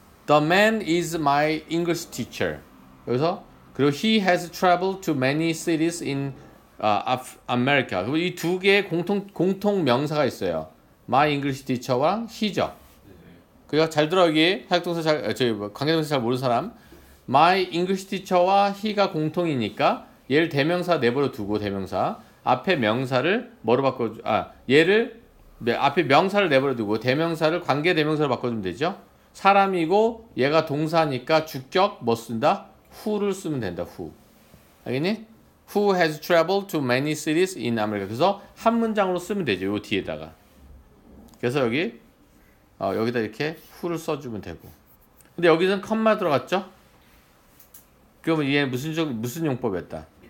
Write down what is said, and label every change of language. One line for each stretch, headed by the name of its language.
English: The man is my English teacher.
Korean: 여기서 그리고
English: he has traveled to many cities in America.
Korean: 이 두 개의 공통 명사가 있어요.
English: My English teacher와 he죠.
Korean: 그리고 잘 들어 여기 활동사 잘 저기 관계동사 잘 모르는 사람. My English teacher와 he가 공통이니까 얘를 대명사 내버려 두고 대명사 앞에 명사를 뭐로 바꿔 아 얘를 네, 앞에 명사를 내버려 두고 대명사를 관계 대명사로 바꿔주면 되죠. 사람이고 얘가 동사니까 주격 뭐 쓴다? who를 쓰면 된다. who. 알겠니?
English: who has traveled to many cities in America.
Korean: 그래서 한 문장으로 쓰면 되죠. 요 뒤에다가. 그래서 여기 여기다 이렇게 who를 써주면 되고. 근데 여기서는 컴마 들어갔죠? 그러면 이게 무슨 용법이었다?